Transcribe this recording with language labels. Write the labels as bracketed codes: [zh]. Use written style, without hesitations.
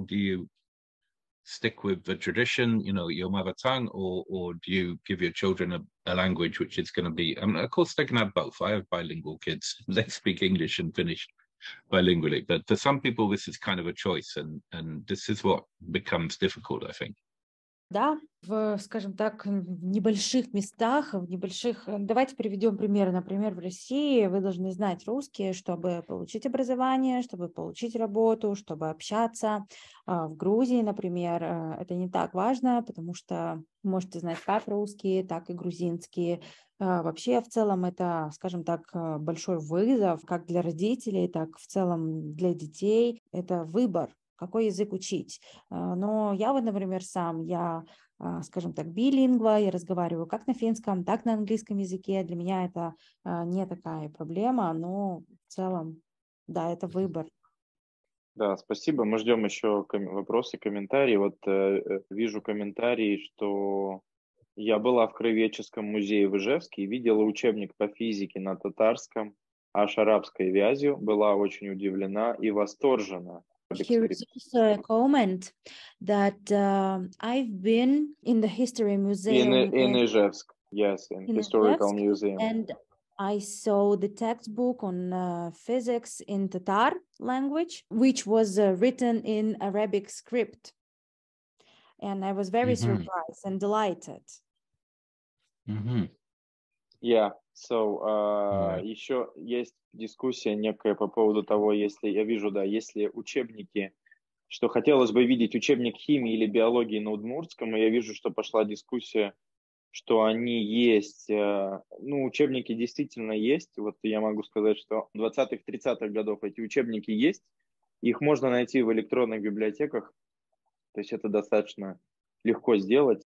[en] Do you stick with the tradition, you know, your mother tongue, or do you give your children a language which is going to be, I mean, of course they can have both. I have bilingual kids, they speak English and Finnish bilingually, but for some people this is kind of a choice, and this is what becomes difficult, I think. [ru] Да, в, скажем так, небольших местах, в небольших... Давайте приведем пример. Например, в России вы должны знать русский, чтобы получить образование, чтобы получить работу, чтобы общаться. В Грузии, например, это не так важно, потому что можете знать как русский, так и грузинский. Вообще, в целом, это, скажем так, большой вызов как для родителей, так в целом для детей. Это выбор. Какой язык учить. Но я вот, например, сам, я, скажем так, билингва, я разговариваю как на финском, так на английском языке. Для меня это не такая проблема, но в целом, да, это выбор. Да, спасибо. Мы ждем еще вопросы, комментарии. Вот вижу комментарии, что я была в Краеведческом музее в Ижевске и видела учебник по физике на татарском, аж арабской вязью, была очень удивлена и восторжена. [en] Here is also a comment that I've been in the history museum in Ijevsk, yes, in historical Ijevsk, museum, and I saw the textbook on physics in Tatar language, which was written in Arabic script, and I was very mm-hmm. surprised and delighted. Mm-hmm. Yeah. [ru] So, еще есть дискуссия некая по поводу того, если, я вижу, да, если учебники, что хотелось бы видеть учебник химии или биологии на удмуртском, и я вижу, что пошла дискуссия, что они есть, ну, учебники действительно есть, вот я могу сказать, что 20-30-х годов эти учебники есть, их можно найти в электронных библиотеках, то есть это достаточно легко сделать.